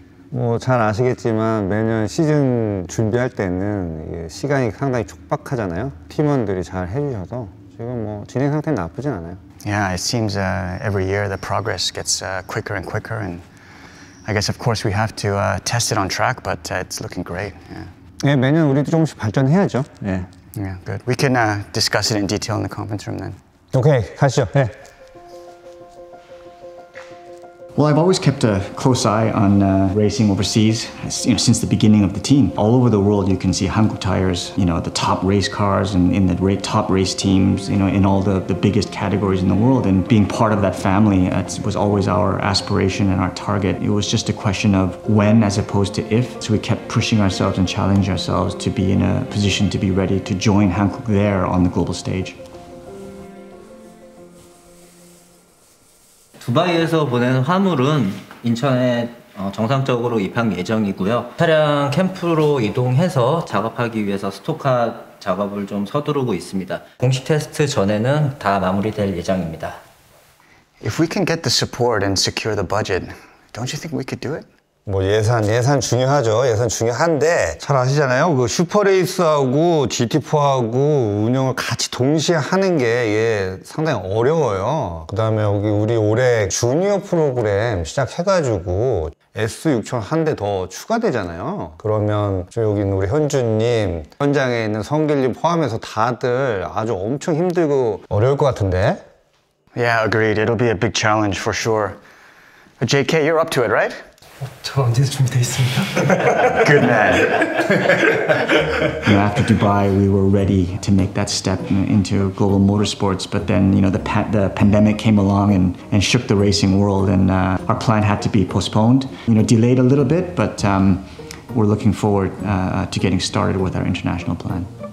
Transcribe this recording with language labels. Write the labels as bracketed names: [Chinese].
[Korean] 뭐 잘 아시겠지만 매년 시즌 준비할 때는 시간이 상당히 촉박하잖아요. 팀원들이 잘 해주셔서 지금 뭐 진행 상태는 나쁘진 않아요. [English] Yeah, it seems every year the progress gets quicker and quicker, and I guess of course we have to test it on track, but it's looking great. Yeah. [Korean] 예, 매년 우리도 조금씩 발전해야죠. [English] 예. Yeah, good. We can discuss it in detail in the conference room then. [Korean] Okay, 가시죠. 예. [English] Well, I've always kept a close eye on racing overseas, you know, since the beginning of the team. All over the world, you can see Hankook Tires, you know, the top race cars and in the top race teams, you know, in all the biggest categories in the world. And being part of that family, it was always our aspiration and our target. It was just a question of when as opposed to if. So we kept pushing ourselves and challenging ourselves to be in a position to be ready to join Hankook there on the global stage. [Korean] 두바이에서 보낸 화물은 인천에 정상적으로 입항 예정이고요. 차량 캠프로 이동해서 작업하기 위해서 스토카 작업을 좀 서두르고 있습니다. 공식 테스트 전에는 다 마무리될 예정입니다. [English] If we can get the support and secure the budget, don't you think we could do it? [Korean] 뭐 예산 중요하죠. 예산 중요한데 잘 아시잖아요. 그 슈퍼레이스하고 GT4하고 운영을 같이 동시에 하는 게 이게 상당히 어려워요. 그다음에 여기 우리 올해 주니어 프로그램 시작해가지고 S6000 한 대 더 추가되잖아요. 그러면 저 여기 있는 우리 현주님, 현장에 있는 성길님 포함해서 다들 아주 엄청 힘들고 어려울 것 같은데? [English] Yeah, agreed. It'll be a big challenge for sure. JK, you're up to it, right? [Korean] 저 언제서 준비돼 있습니다. [English] Good man. You know, after Dubai, we were ready to make that step into global motorsports, but then you know the pandemic came along and shook the racing world, and our plan had to be postponed. You know, delayed a little bit, but we're looking forward to getting started with our international plan.